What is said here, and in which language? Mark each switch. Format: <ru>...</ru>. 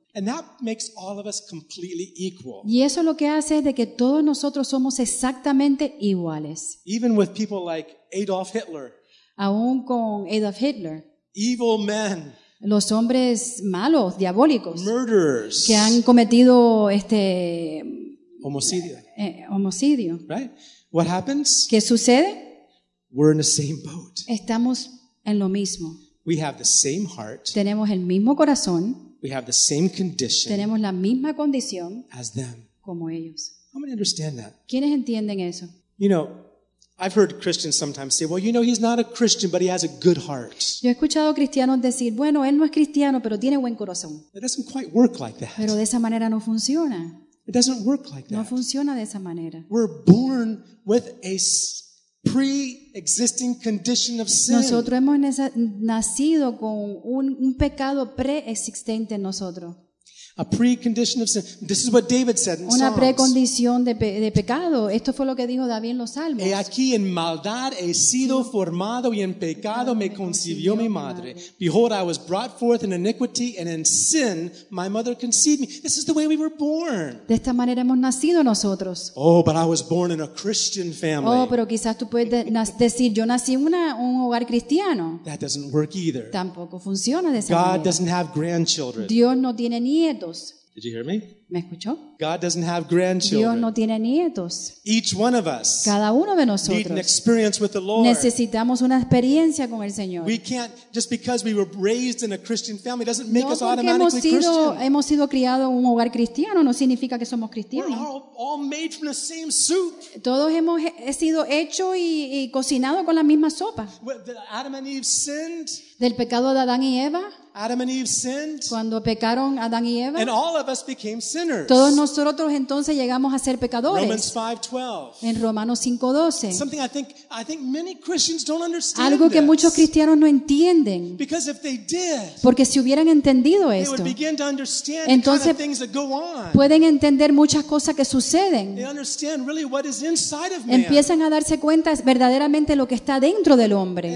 <en>And that makes all of us completely equal.</en> <es>Y eso lo que hace es de que todos nosotros somos exactamente iguales.</es> <en>Even with people like Adolf Hitler.</en> <es>Aún con Adolf Hitler,</es> <en>evil men,</en> <es>los hombres malos, diabólicos,</es> <en>murderers,</en> <es>que han cometido este homicidio. Homicidio.</es> <en>Right? What happens?</en> <es>¿Qué sucede?</es> <en>We're in the same boat.</en> <es>Estamos en lo mismo.</es> <en>We have the same heart.</en> <es>Tenemos el mismo corazón.</es> <en>We have the same condition.</en> <es>Tenemos la misma condición.</es> <en>As them.</en> <es>Como ellos.</es> <en>How many understand that?</en> <es>¿Quiénes entienden eso?</es> <en>You know. I've heard Christians sometimes say, "Well, you know, he's not a Christian, but he has a good heart."</en> <es>Yo he escuchado cristianos decir, "Bueno, él no es cristiano, pero tiene buen corazón."</es> <en>It doesn't quite work like that.</en> <es>Pero de esa manera no funciona.</es> <en>It doesn't work like that.</en> <es>No funciona de esa manera.</es> <en>We're born with a pre-existing condition of sin.</en> <es>Nosotros hemos nacido con un pecado pre-existente en nosotros.</es> <en>A precondition of sin. This is what David said in Psalms.</en> <es>Una precondición de pecado. Esto fue lo que dijo David en los Salmos. He aquí en maldad he sido formado y en pecado me concibió mi madre.</es> <en>Behold, I was brought forth in iniquity and in sin my mother conceived me. This is the way we were born.</en> <es>De esta manera hemos nacido nosotros.</es> <en>Oh, but I was born in a Christian family.</en> <es>Oh, pero quizás tú puedes decir yo nací en un hogar cristiano.</es> <en>That doesn't work either.</en> <es>Tampoco funciona de esa</es> <en>God</en> <es>manera.</es> <en>God doesn't have grandchildren.</en> <es>Dios no tiene nietos.</es> <en>Did you hear me?</en> <es>¿Me escuchó?</es> <en>God doesn't have grandchildren.</en> <es>Dios no tiene nietos.</es> <en>Each one of us.</en> <es>Cada uno de nosotros.</es> <en>Need an experience with the Lord.</en> <es>Necesitamos una experiencia con el Señor.</es> <en>We can't just because we were raised in a Christian family doesn't make</en> <es>no</es> <en>us automatically</en> <es>hemos sido,</es> <en>Christian.</en> <es>Hemos sido criados en un hogar cristiano no significa que somos cristianos.</es> <en>We're all made from the same soup.</en> <es>Todos hemos sido hechos y cocinados con la misma sopa.</es> <en>Adam and Eve sinned.</en> <es>Del pecado de Adán y Eva.</es> <en>Adam and Eve sinned.</en> <es>Cuando pecaron Adán y Eva.</es> <en>And all of us became sinners.</en> <es>Todos nosotros entonces llegamos a ser pecadores.</es> <en>Romans 5:12.</en> <es>En Romanos 5:12.</es> <en>Something I think many Christians don't understand.</en> <es>Algo que</es> <en>this.</en> <es>Muchos cristianos no entienden.</es> <en>Because if they did.</en> <es>Porque si hubieran entendido</es> <en>they</en> <es>esto.</es> <en>They would begin to understand</en> <es>entonces,</es> <en>the kind of things that go on.</en> <es>Pueden entender muchas cosas que suceden.</es> <en>They understand really what is inside of man.</en> <es>Empiezan a darse cuenta verdaderamente lo que está dentro del hombre.</es>